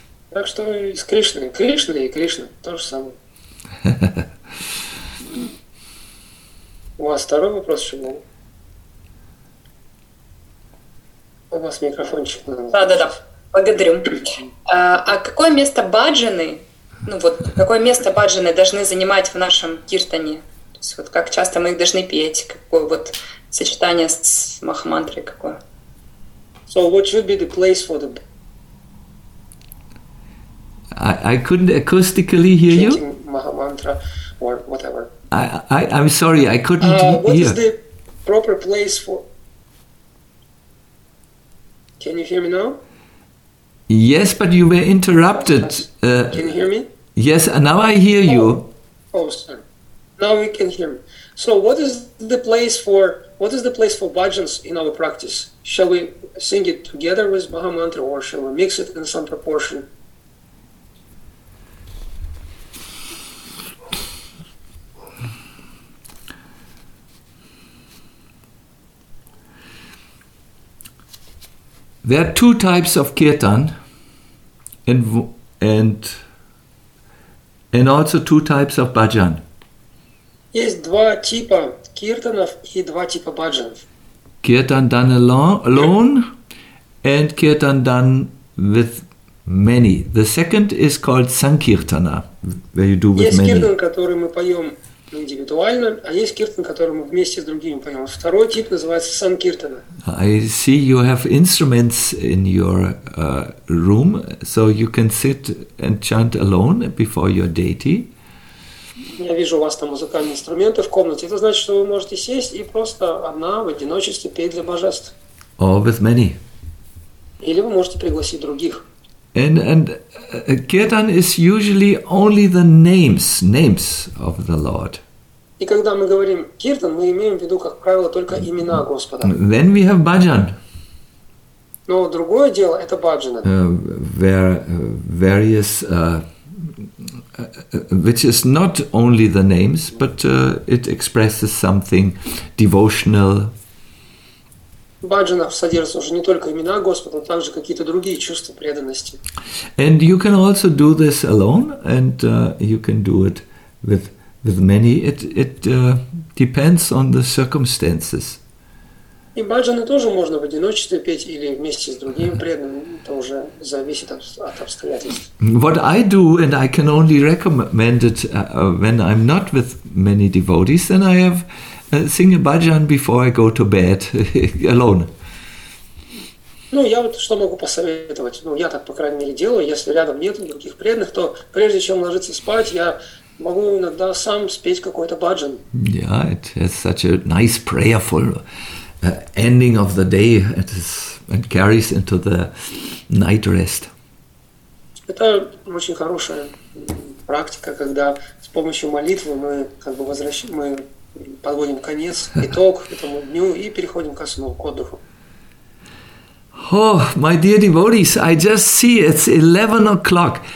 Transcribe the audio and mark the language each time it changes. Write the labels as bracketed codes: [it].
[ru] Так что и с Кришной. Кришна и Кришна – то же самое. У вас второй вопрос еще был? У вас микрофончик. Да. Благодарю. А какое место баджаны? Ну вот, какое место баджаны должны занимать в нашем киртане? То есть вот как часто мы их должны петь? Какое вот сочетание с махамантрой какое? [en] So what should be the place for the... I couldn't acoustically hear chanting you? Mahamantra or whatever. I'm sorry, I couldn't what hear. What is the proper place for... Can you hear me now? Yes, but you were interrupted. Can you hear me? Yes, now I hear you. Oh, sir. Now you can hear me. So what is the place for bhajans in our practice? Shall we sing it together with Mahamantra or shall we mix it in some proportion? There are two types of kirtan and also two types of bhajan. [ru] Есть два типа киртанов и два типа бхаджанов. [en] Kirtan done alone and kirtan done with many. The second is called sankirtana, where you do with [ru] есть [en] many. [ru] Есть киртан, который мы поем индивидуально, а есть киртан, который мы вместе с другими поем. Второй тип называется санкиртана. [en] I see you have instruments in your room, so you can sit and chant alone before your deity. [ru] Я вижу, у вас там музыкальные инструменты в комнате. Это значит, что вы можете сесть и просто одна в одиночестве петь для божеств. [en] Or with many. [ru] Или вы можете пригласить других. [en] And Kirtan is usually only the names of the Lord. [ru] И когда мы говорим киртан, мы имеем в виду, как правило, только имена Господа. [en] Then we have bhajan. [ru] Но другое дело это bhajana. [en] Which is not only the names, but it expresses something devotional. [ru] Bhajana содержит уже не только имена Господа, но также какие-то другие чувства преданности. [en] And you can also do this alone, and you can do it with many. It depends on the circumstances. [ru] И bhajana тоже можно в одиночестве петь или вместе с другими преданными. Это уже зависит от обстоятельств. [en] What I do, and I can only recommend it when I'm not with many devotees, then I have sing a bhajan before I go to bed alone. [ru] Ну, я вот что могу посоветовать. Ну, я так, по крайней мере, делаю. Если рядом нет других преданных, то прежде чем ложиться спать, я могу иногда сам спеть какой-то bhajan. [en] Yeah, it has such a nice prayerful ending of the day and carries into the night rest. [ru] Это очень хорошая практика, когда с помощью молитвы мы как бы возвращаем, мы подводим конец, итог этому дню и переходим ко сну, к отдыху. [en] Oh, my dear devotees, I just see it's 11 o'clock.